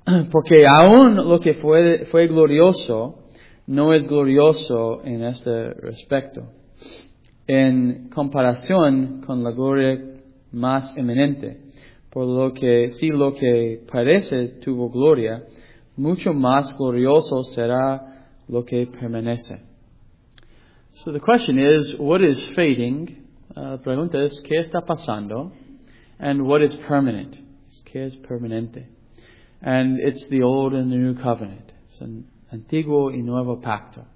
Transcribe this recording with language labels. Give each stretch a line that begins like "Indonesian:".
Spanish: Porque aún lo que fue glorioso no es glorioso en este respecto, en comparación con la gloria más eminente. Por lo que, si lo que parece tuvo gloria, mucho más glorioso será lo que permanece.
English: So the question is, what is fading?
Spanish: La pregunta es, ¿qué está pasando?
English: And what is permanent?
Spanish: ¿Qué es permanente?
English: And it's the old and the new covenant. It's an
Spanish: antiguo y nuevo pacto.